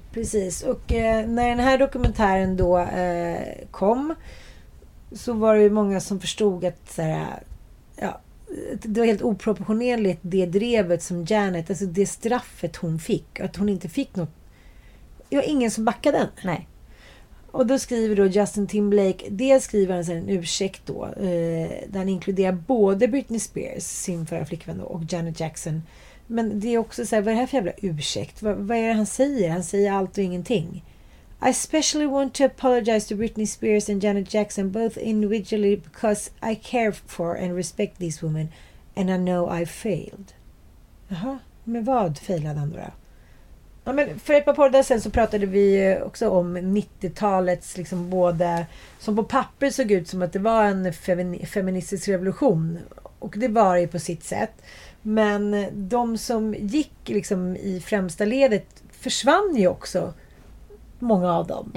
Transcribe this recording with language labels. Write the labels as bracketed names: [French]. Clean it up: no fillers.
[Swedish] Precis, och när den här dokumentären då kom så var det ju många som förstod att så här, ja, det var helt oproportionerligt det drevet som Janet, alltså det straffet hon fick, att hon inte fick något. Jag har ingen som backade den. Nej. Och då skriver då Justin Timberlake, dels skriver han en ursäkt då, där han inkluderar både Britney Spears, sin förra flickvän då, och Janet Jackson. Men det är också så här, vad är det här för jävla ursäkt? Vad är det han säger? Han säger allt och ingenting. [English] I especially want to apologize to Britney Spears and Janet Jackson both individually because I care for and respect these women and I know I failed. [Swedish] Jaha, men vad failade han då? Ja, men för ett par poddar sen så pratade vi också om 90-talets liksom, både som på papper såg ut som att det var en feministisk revolution, och det var det på sitt sätt, men de som gick liksom i främsta ledet försvann ju också, många av dem.